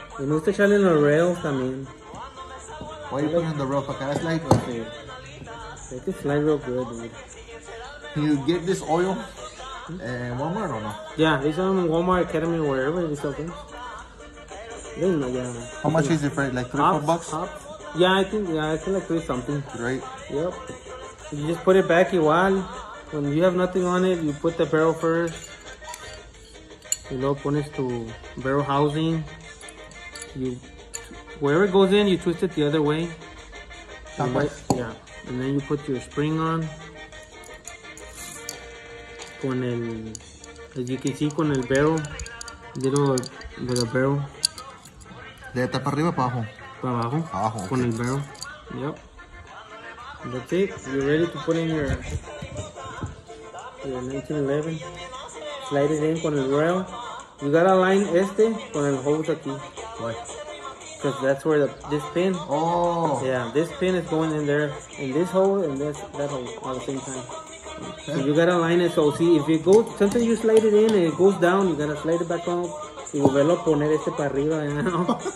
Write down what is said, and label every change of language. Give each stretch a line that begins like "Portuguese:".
Spanish: Me gusta echarle en los rails también.
English: Why are you putting in the rail? Porque that's like... Okay. It's like real good, dude. Can you get this oil in Walmart or no? Yeah, they sell them in Walmart, Academy, wherever they sell them. They know, yeah. How much is it for? Like $3, $4? Hops. Yeah, I think like three something. Right. Yep. You just put it back igual. When you have nothing on it, you put the barrel first. You know,
Spanish: pones tu barrel housing.
English: You wherever it goes in, you twist it the other way. Yeah. And then you put your spring on. Con el, as you can see, con el barrel, little with a barrel.
Spanish: ¿De estar para arriba o para abajo? Para abajo. Abajo. Con
English: okay. El barrel. Yep. That's it. You're ready to put in your 1911. Slide it in
Spanish: con el rail.
English: You gotta line este
Spanish: con el hose aquí.
English: Why? Because that's where this pin. Oh. Yeah, this pin is going in there, in this hole and that hole at the same time. Okay. So you gotta line it, so see if it goes, sometimes you slide it in and it goes down, you gotta slide it back on
Spanish: y volverlo a poner este para arriba,
English: you know?